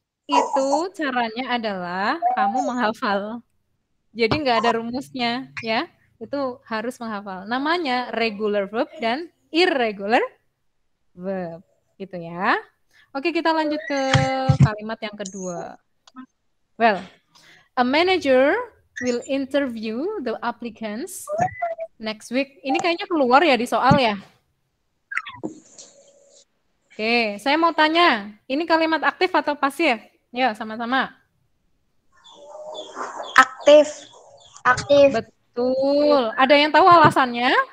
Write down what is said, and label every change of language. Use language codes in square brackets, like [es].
[id] Itu caranya adalah kamu menghafal. Jadi nggak ada rumusnya ya. Itu harus menghafal. Namanya regular verb dan irregular verb. Gitu ya. Oke, kita lanjut ke kalimat yang kedua. [en] Well, a manager will interview the applicants next week. [id] Ini kayaknya keluar ya di soal ya. Oke, saya mau tanya, ini kalimat aktif atau pasif? Ya, sama-sama. Aktif. Aktif. Betul. Ada yang tahu alasannya?